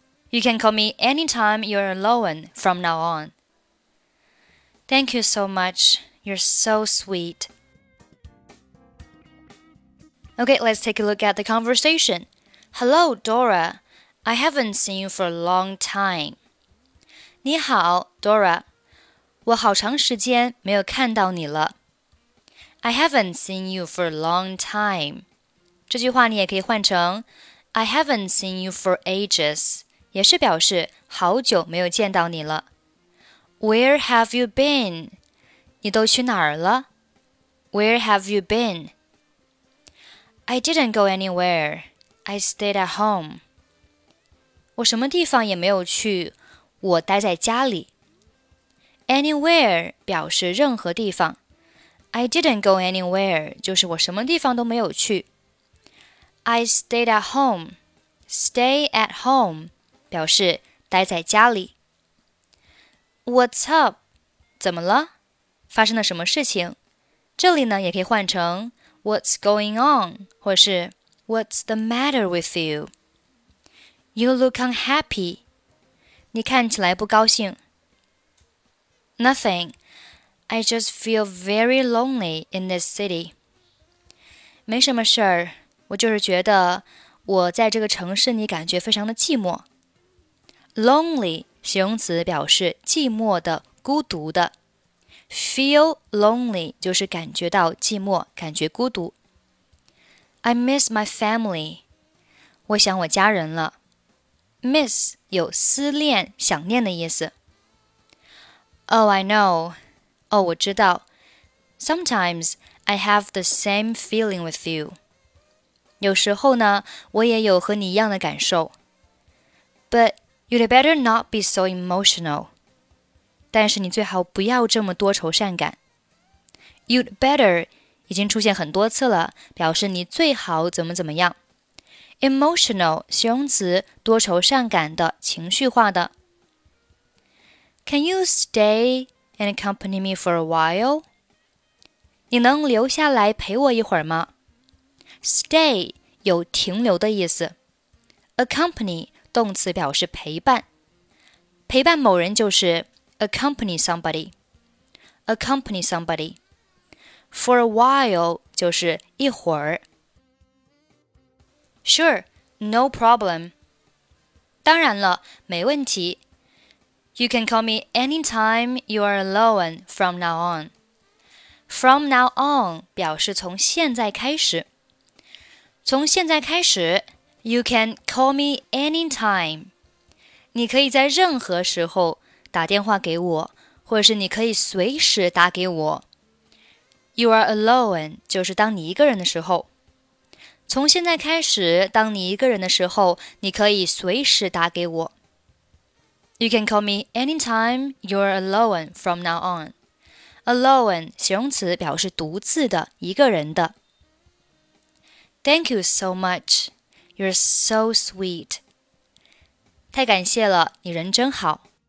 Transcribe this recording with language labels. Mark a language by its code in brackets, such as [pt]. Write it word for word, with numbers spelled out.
[en] You can call me anytime you're alone from now on. Thank you so much. You're so sweet. Okay, let's take a look at the conversation. Hello, Dora. I haven't seen you for a long time. [zh] 你好 ,Dora. 我好长时间没有看到你了。 [en] I haven't seen you for a long time. [zh] 这句话你也可以换成 [en] I haven't seen you for ages. [zh] 也是表示好久没有见到你了。 [en] Where have you been? [zh] 你都去哪儿了 [en] ？Where have you been? I didn't go anywhere. I stayed at home. [zh] 我什么地方也没有去，我待在家里。 Anywhere 表示任何地方。 [en] I didn't go anywhere [zh] 就是我什么地方都没有去。 [en] I stayed at home. Stay at home. [zh] 表示待在家里。 [en] What's up? [zh] 怎么了？发生了什么事情？这里呢也可以换成 [en] What's going on? 或是 What's the matter with you? You look unhappy. [zh] 你看起来不高兴。 [en] Nothing. I just feel very lonely in this city. [zh] 没什么事儿，我就是觉得我在这个城市里感觉非常的寂寞。 Lonely 形容词表示寂寞的、孤独的。 [en] Feel lonely [zh] 就是感觉到寂寞、感觉孤独。 [en] I miss my family. [zh] 我想我家人了。 Miss 有思念、想念的意思。 [en] Oh, I know. [zh] 哦，我知道。 [en] Sometimes I have the same feeling with you. [zh] 有时候呢，我也有和你一样的感受。 [en] But. You'd better not be so emotional. [zh] 但是你最好不要这么多愁善感。 [en] You'd better [zh] 已经出现很多次了，表示你最好怎么怎么样。 Emotional 形容词，多愁善感的，情绪化的。 [en] Can you stay and accompany me for a while? [zh] 你能留下来陪我一会儿吗 ？Stay 有停留的意思。 Accompany动词表示陪伴，陪伴某人就是 [en] accompany somebody, accompany somebody. For a while [zh] 就是一会儿。 [en] Sure, no problem. [zh] 当然了，没问题。 [en] You can call me anytime you are alone from now on. From now on [zh] 表示从现在开始。从现在开始。 [en] You can call me anytime. [zh] 你可以在任何时候打电话给我，或者是你可以随时打给我。 [en] You are alone [zh] 就是当你一个人的时候。从现在开始，当你一个人的时候，你可以随时打给我。 [en] You can call me anytime you're alone from now on. [zh] Alone 形容词表示独自的、一个人的。 [en] Thank you so much. You're so sweet. [zh] 太感谢了，你人真好。